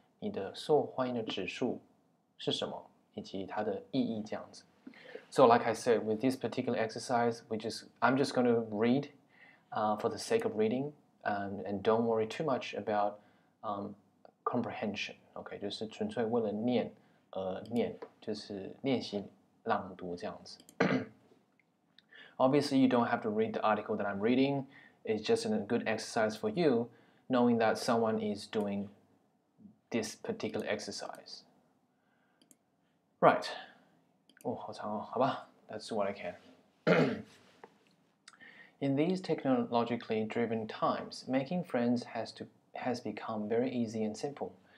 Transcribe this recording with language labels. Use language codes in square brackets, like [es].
[zh] 你的受欢迎的指数是什么？以及它的意义这样子。 [en] So like I said, with this particular exercise, I'm just going to read for the sake of reading, and don't worry too much about comprehension. [zh] Okay, 就是纯粹为了念而念，就是练习朗读这样子。 [en] Obviously, you don't have to read the article that I'm reading. It's just a good exercise for you, knowing that someone is doing this particular exercise. Right. Oh, [zh] 好长哦，好吧, [en] that's what I can. In these technologically driven times, making friends has become very easy and simple.